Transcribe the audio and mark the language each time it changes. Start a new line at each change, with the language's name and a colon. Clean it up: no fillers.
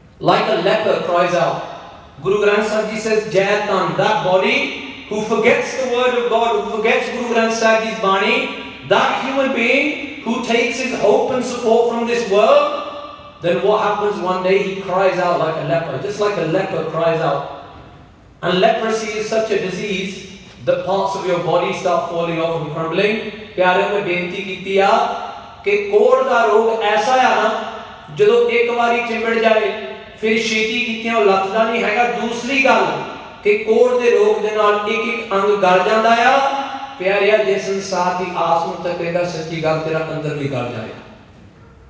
English: Like a leper cries out. Guru Granth Sahib ji says,
Punjabi: ਜੈ ਤਨ,
English: that body who forgets the word of God, who forgets Guru Granth Sahib ji
Punjabi: ਦੀ ਬਾਣੀ,
English: That human being who takes his hope and support from this world, then what happens one day? He cries out like a leper, just like a leper cries out. And leprosy is such a disease that parts of your body start falling off and crumbling.
Punjabi: ਪਿਆਰੇ ਨੇ ਬੇਨਤੀ ਕੀਤੀ ਆ ਕਿ ਕੋੜ ਦਾ ਰੋਗ ਐਸਾ ਆ ਨਾ, ਜਦੋਂ ਇੱਕ ਵਾਰੀ ਚਿੰਬੜ ਜਾਏ ਫਿਰ ਛੇਤੀ ਕੀਤੀਆਂ ਉਹ ਲੱਥਦਾ ਨਹੀਂ ਹੈਗਾ। ਦੂਸਰੀ ਗੱਲ ਕਿ ਕੋੜ ਦੇ ਰੋਗ ਦੇ ਨਾਲ ਇੱਕ ਇੱਕ ਅੰਗ ਗਲ ਜਾਂਦਾ ਆ। ਪਿਆਰਿਆ, ਜੇ ਸੰਸਾਰ ਦੀ ਆਸ ਨੂੰ ਤੱਕੇਗਾ, ਸੱਚੀ ਗੱਲ ਤੇਰਾ ਅੰਦਰ ਵੀ ਗਲ ਜਾਏਗਾ।